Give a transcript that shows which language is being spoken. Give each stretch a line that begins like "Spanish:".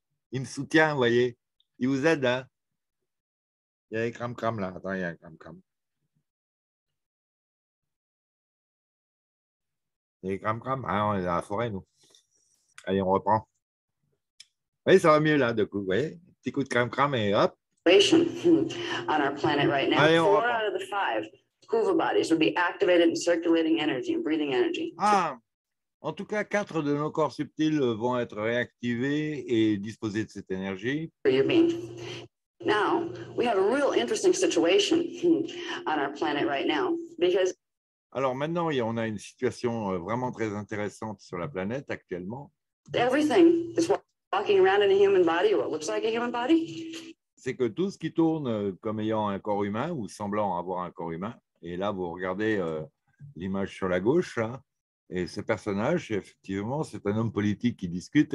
French: Il me soutient, vous voyez. Il vous aide. Hein. Il y a un cram-cram là. Attends, il y a un cram-cram. Et cram-cram, hein, on est dans la forêt, nous. Allez, on reprend. Vous voyez, ça va mieux, là, de coup. Vous voyez, petit coup de cram-cram et hop.
English: On our planet right now.
French: Allez, on
English: four out of the five Kuva bodies would be activated and circulating energy and breathing energy. Ah,
French: En tout cas, quatre de nos corps subtils vont être réactivés et disposer de cette énergie.
English: Now, we have a real interesting situation on our planet right now because.
French: Alors maintenant, on a une situation vraiment très intéressante sur la planète actuellement.
English: Everything is walking around in a human body, or looks like a human body.
French: C'est que tout ce qui tourne comme ayant un corps humain ou semblant avoir un corps humain. Et là, vous regardez l'image sur la gauche. Hein, et ce personnage, effectivement, c'est un homme politique qui discute.